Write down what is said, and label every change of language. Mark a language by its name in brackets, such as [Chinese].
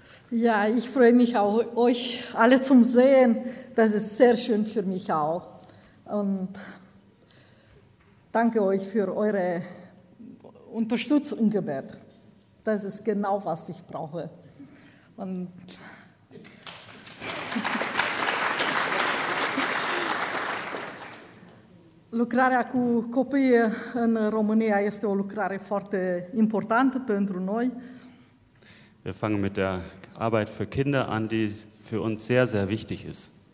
[German] Ja, ich freue mich auch, euch alle zu sehen. Das ist sehr schön für mich auch. Und danke euch für eure Unterstützung, Gebet. Das ist genau, was ich brauche. [Romanian] Und lucrarea cu copiii în România este o lucrare foarte importantă pentru noi. [German] Wir fangen mit der Arbeit für Kinder an, die für uns sehr, sehr wichtig ist.